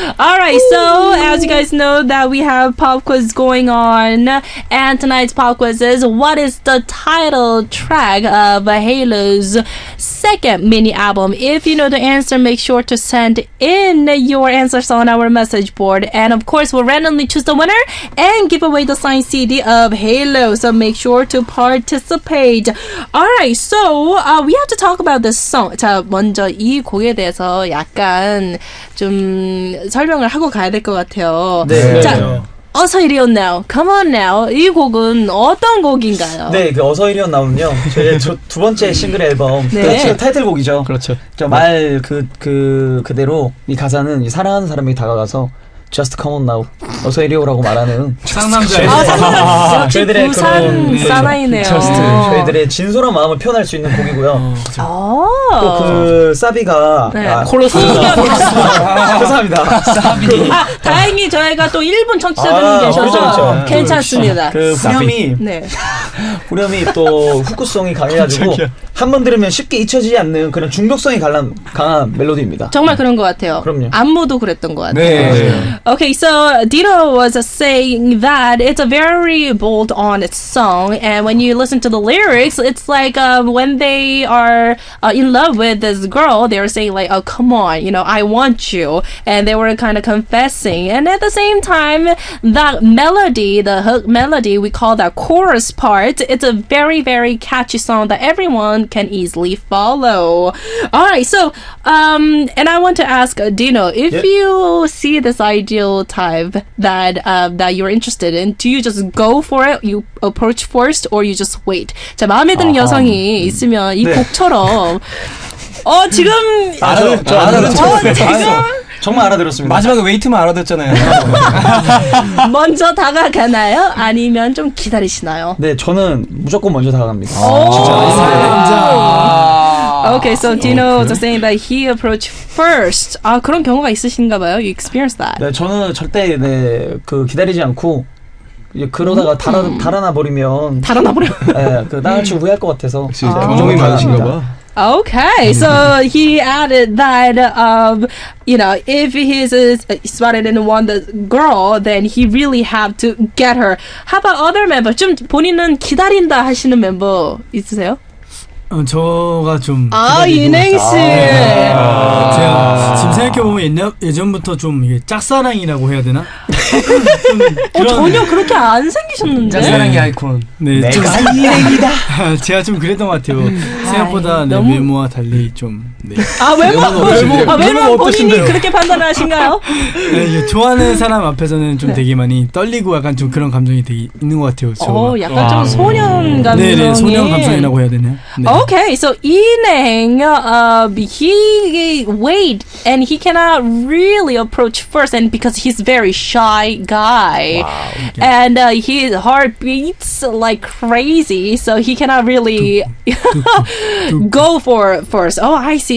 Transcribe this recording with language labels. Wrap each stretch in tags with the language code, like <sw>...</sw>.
<en>All right, so as you guys know that we have pop quiz going on, and tonight's pop quiz is what is the title track of Halo's second mini album? If you know the answer, make sure to send in your answers on our message board, and of course, we'll randomly choose the winner and give away the signed CD of Halo. So make sure to participate. All right, so we have to talk about this song.</en> <ko>자, 먼저 이 곡에 대해서 약간 좀 설명을 하고 가야 될 것 같아요. 네. 자, 어서 이리 온 now.</ko> <en>Come on now.</en> <ko>이 곡은 어떤 곡인가요? 네, 그 어서 이리 온 now는요. 저희 두 번째 싱글 앨범. 네. 그렇죠. 타이틀곡이죠. 그렇죠. 저 말 그대로 이 가사는 사랑하는 사람이 다가가서</ko> <en>Just come on now.</en> <ko>어서 이리 오라고 말하는 상남자예요. 아, 상남자. 부산 사나이네요. 저희들의 진솔한 마음을 표현할 수 있는 곡이고요. 아~ 또 그 사비가 콜로스. 감사합니다. 사비. 다행히 저희가 또 일본 청취자분이 계셔서 그렇죠. 괜찮습니다. 그 후렴이 네. 후렴이 또 후크송이 강해가지고 한번 들으면 쉽게 잊혀지지 않는 그런 중독성이 강한 멜로디입니다. 정말 네. 그런 것 같아요. 그럼요. 안무도 그랬던 것 같아요. 네.</ko> <en>Okay, so Dito was saying that it's a very bold, honest song, and when you listen to the lyrics, it's like when they are in love with this girl, they're saying like, oh, come on, you know, I want you, and they were kind of confessing, and at the same time, that melody, the hook melody, we call that chorus part, it's a very, very catchy song that everyone can easily follow. All right, so, and I want to ask Dino, if yep. you see this ideal type that that you're interested in, do you just go for it? You approach first, or you just wait?</en> <ko>자 마음에 드는 아하. 여성이 있으면 이 네. 곡처럼 어 지금 맞아요. 저 알아들었어요. 지금 정말 알아들었습니다. 마지막에 웨이트만 알아듣잖아요. 먼저 다가가나요? 아니면 좀 기다리시나요? 네, 저는 무조건 먼저 다가갑니다. 진짜.</ko> <en>Okay, so Dino was saying that he approached first.</en> <ko>아, 그런 경우가 있으신가 봐요?</ko> <en>You experienced that.</en> <ko>네, 저는 절대 네, 그 기다리지 않고 그러다가 달아나버리면 달아나버려? 네, 그 나을치 후회할 것 같아서 경험이 많으신가 봐.</ko> <en>Okay, so he added that, you know, if he's spotted in one girl, then he really have to get her. How about other members?</en> <ko>좀 본인은 기다린다 하시는 멤버 있으세요? 저가 좀 아 인행 씨 제가 지금 생각해 보면 예전부터 좀 이게 짝사랑이라고 해야 되나? 전혀 그렇게 안 생기셨는데 짝사랑의 아이콘 네 내가 인행이다 제가 좀 그랬던 것 같아요 생각보다 내 외모와 달리 좀 네 아 외모 본인이 그렇게 판단하신가요? 네 좋아하는 사람 앞에서는 좀 되게 많이 떨리고 약간 좀 그런 감정이 되게 있는 것 같아요 저 약간 좀 소년 감정이 네네 소년 감정이라고 해야 되나?</ko> <en>Okay, so Ineng, he wait and he cannot really approach first, and because he's very shy guy, wow. and his heart beats like crazy, so he cannot really go for first. Oh, I see.</en>